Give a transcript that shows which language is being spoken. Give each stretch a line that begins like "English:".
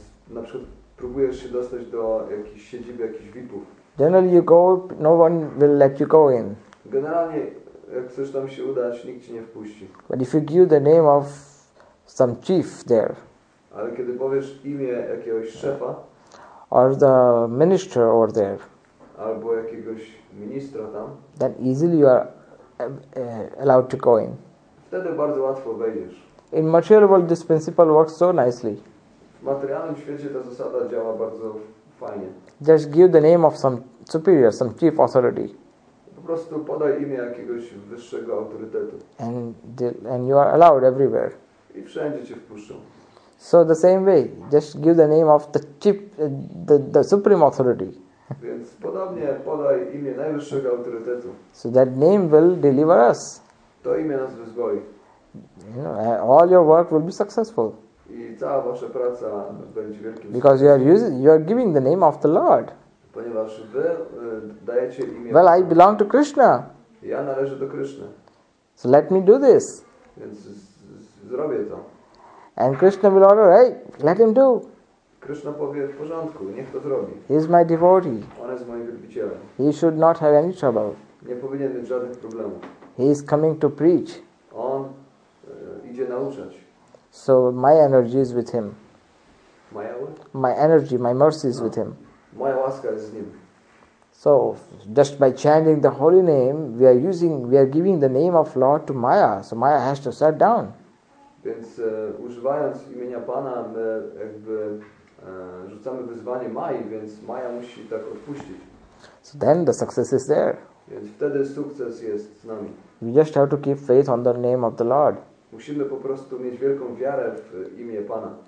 Polish: Na przykład próbujesz się dostać do jakiejś siedziby, jakichś VIP-ów.
English: Generally you go, no one will let you go in.
Polish: Generalnie, jak chcesz tam się udać, nikt cię nie wpuści.
English: But if you give the name of some chief there.
Polish: Ale kiedy powiesz imię jakiegoś szefa,
English: or the minister over there,
Polish: albo jakiegoś ministra tam,
English: then easily you are allowed to go in.
Polish: Wtedy bardzo łatwo wejdziesz.
English: In material world this principle works so nicely.
Polish: W materialnym świecie ta zasada działa bardzo fajnie.
English: Just give the name of some superior, some chief authority.
Polish: Po prostu podaj imię jakiegoś wyższego autorytetu.
English: And you are allowed everywhere.
Polish: I wszędzie cię wpuszczą.
English: So the same way, just give the name of the chief, the supreme authority.
Polish: Więc podobnie podaj imię najwyższego autorytetu.
English: So that name will deliver us.
Polish: To imię nas wyzwoli.
English: All your work will be successful.
Polish: I cała wasza praca będzie wielkim.
English: Because you are giving the name of the Lord.
Polish: Ponieważ wy dajecie imię.
English: Well, I belong to Krishna.
Polish: Ja należę do Krishna.
English: So let me do this.
Polish: Więc zrobię to.
English: And Krishna will order, hey, let him do.
Polish: Krishna powie, w porządku, niech to zrobi.
English: He is my devotee.
Polish: On jest moim wielbicielem.
English: He should not have any trouble.
Polish: Nie powinien mieć żadnych problemów.
English: He is coming to preach.
Polish: On idzie nauczać.
English: So my energy is with him.
Polish: Moja?
English: My energy, my mercy is with him.
Polish: Moja łaska jest z nim.
English: So just by chanting the holy name, we are giving the name of Lord to Maya. So Maya has to sit down.
Polish: Więc używając imienia Pana, my jakby rzucamy wyzwanie Mai, więc Maya musi tak odpuścić.
English: So then the success is there.
Polish: Więc wtedy sukces jest z nami.
English: We just have to keep faith on the name of the Lord.
Polish: Musimy po prostu mieć wielką wiarę w imię Pana.